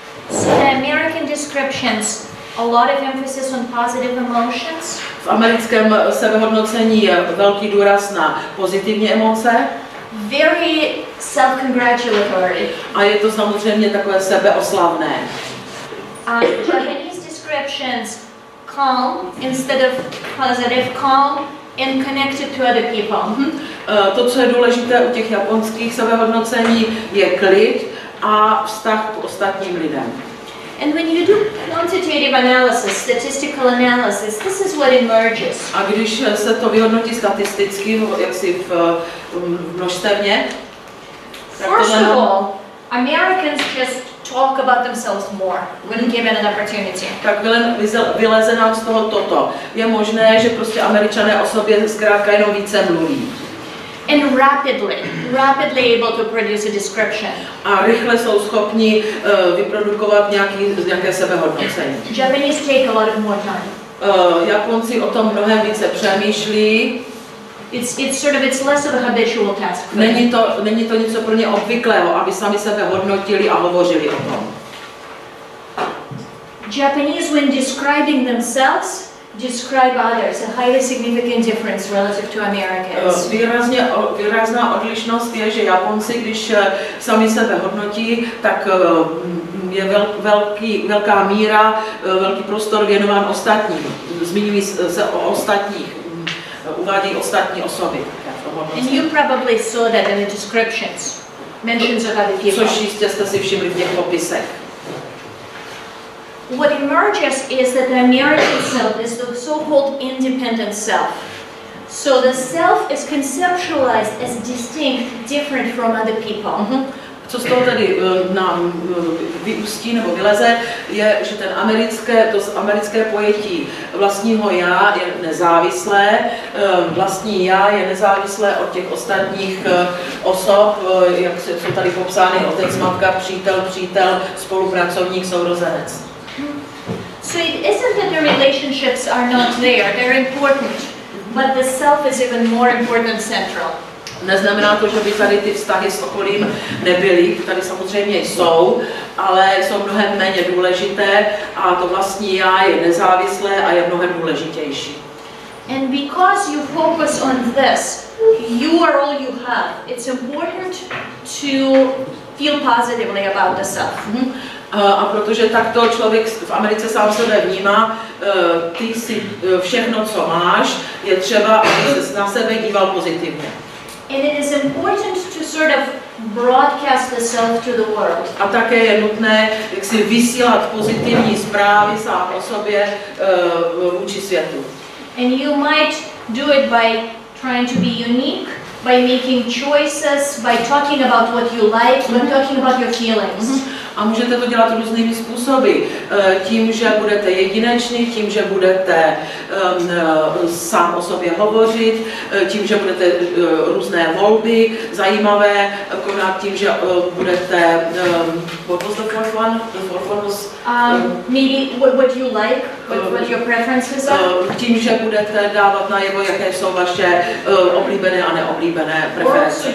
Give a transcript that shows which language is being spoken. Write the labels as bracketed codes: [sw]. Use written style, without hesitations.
[en] So the American descriptions, a lot of emphasis on positive emotions. [cs] V americkém sebehodnocení je velký důraz na pozitivní emoce. [en] Very self-congratulatory. [cs] A je to samozřejmě takové sebeoslavné. [en] Japanese descriptions, calm instead of positive, calm and connected to other people. [cs] To, co je důležité u těch japonských sebehodnocení, je klid a vztah k ostatním lidem. [en] And when you do quantitative analysis, statistical analysis, this is what emerges. [cs] A když se to vyhodnotí statisticky, jaksi v množstevně, [en] Americans just talk about themselves more when given an opportunity. [cs] Tak vyleze nám z toho toto. Je možné, že prostě Američané o sobě zkrátka jenom více mluví. [en] And rapidly able to produce a description. [cs] A rychle jsou schopni vyprodukovat nějaké sebehodnocení. [en] Japanese take a lot of more time. [cs] Japonci o tom mnohem více přemýšlí. [en] It's less of a habitual task. [cs] Není to něco pro ně obvyklého, aby sami sebe hodnotili a hovořili o tom. [en] Japanese, when describing themselves, describe others. A highly significant difference relative to Americans. [cs] Výrazná odlišnost je, že Japonci, když sami sebe hodnotí, tak je velká míra, velký prostor věnován ostatním. Zmiňují se o ostatních. Uvádí ostatní osoby. [en] And you probably saw that in the descriptions, mentions of other people. [cs] Což jistě jste si všimli v těch popisech. [en] What emerges is that the American self is the so-called independent self. So the self is conceptualized as distinct, different from other people. [cs] Co z toho tedy nám vyústí nebo vyleze, je, že to americké pojetí vlastního já je nezávislé. Vlastní já je nezávislé od těch ostatních osob, jak jsou tady popsány, otec, matka, přítel, spolupracovník, sourozenec. [en] So it isn't that the relationships are not there, they're important, but the self is even more important and central. [cs] Neznamená to, že by tady ty vztahy s okolím nebyly, tady samozřejmě jsou, ale jsou mnohem méně důležité, a to vlastní já je nezávislé a je mnohem důležitější. [en] And because you focus on this, you are all you have. It's important to feel positively about the self. [cs] A protože takto člověk v Americe sám sebe vnímá, ty jsi všechno, co máš, je třeba, aby se na sebe díval pozitivně. [en] And it is important to sort of broadcast the self to the world. [cs] A také je nutné, jak si vysílat pozitivní zprávy sám o sobě vůči světu. [en] And you might do it by trying to be unique, by making choices, by talking about what you like, by talking about your feelings. [cs] A můžete to dělat různými způsoby. Tím, že budete jedineční, tím, že budete sám o sobě hovořit, tím, že budete různé volby zajímavé konat, tím, že budete... [en] What was the fourth one? The fourth one was... Maybe what you like, what your preferences are. [cs] Tím, že budete dávat najevo, jaké jsou vaše oblíbené a neoblíbené preference.